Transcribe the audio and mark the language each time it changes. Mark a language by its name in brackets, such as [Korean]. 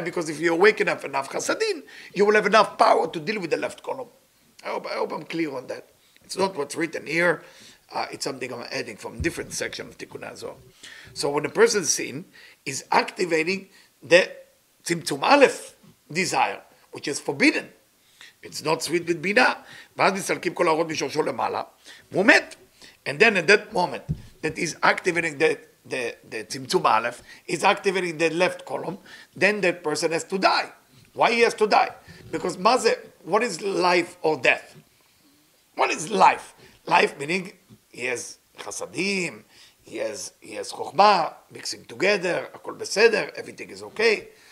[English] Because if you awaken up enough chasadin, you will have enough power to deal with the left column. I hope I'm clear on that. It's not what's written here. It's something I'm adding from different section of Tikkun Azor. So when a person sin is activating the Tzimtzum Aleph desire, which is forbidden, It's not sweet with bina. [Hebrew] ואז מסלקים כל האורות משורשו למעלה, והוא מת. [English] And then at that moment, that is activating the צמצום האלף, is activating the left column, then that person has to die. Why he has to die? Because [Hebrew] מה זה, [English] what is life or death? What is life? Life meaning, he has חסדים, he has חוכמה, mixing together, [Hebrew] הכל בסדר, [English] everything is okay.